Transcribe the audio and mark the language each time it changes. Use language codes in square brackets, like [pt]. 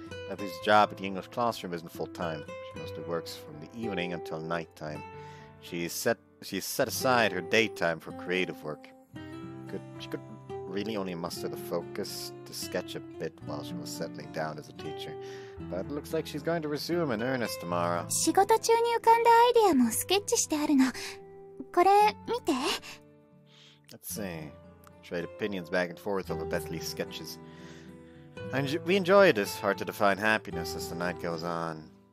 [en] Bethy's job at the English classroom isn't full time. She mostly works from the evening until night time. She's set aside her daytime for creative work. She could really only muster the focus to sketch a bit while she was settling down as a teacher. But it looks like she's going to resume in earnest tomorrow. [ja] 仕事中に浮かんだアイデアもスケッチしてあるの。これ見て。 [en] Let's see. Trade opinions back and forth over Bethly's sketches. We enjoy this hard to define happiness as the night goes on.